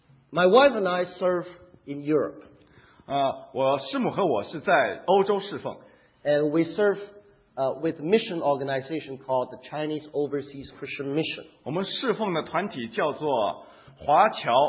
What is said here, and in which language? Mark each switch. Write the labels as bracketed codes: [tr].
[en] My wife and I serve in Europe. [zh] 我师母和我是在欧洲侍奉。 [en] And we serve with a mission organization called the Chinese Overseas Christian Mission. [zh] 我们侍奉的团体叫做华侨